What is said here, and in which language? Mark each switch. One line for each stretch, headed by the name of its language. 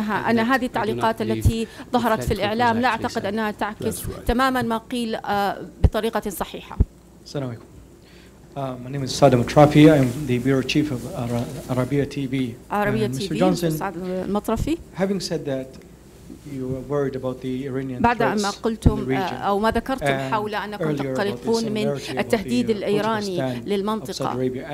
Arabic: أن هذه التعليقات التي ظهرت في الإعلام لا أعتقد أنها تعكس تماما ما قيل بطريقة صحيحة. السلام عليكم.
English: My name is Sadam Atrafi. I'm the bureau chief of Arabia TV. Arabia TV. Mr. Johnson, Mr. Having said that, you were worried about the Iranian
Arabic: بعد
English: threats
Arabic: ما قلتم أو ما ذكرتم حول أنكم تقلقون من التهديد الإيراني للمنطقة.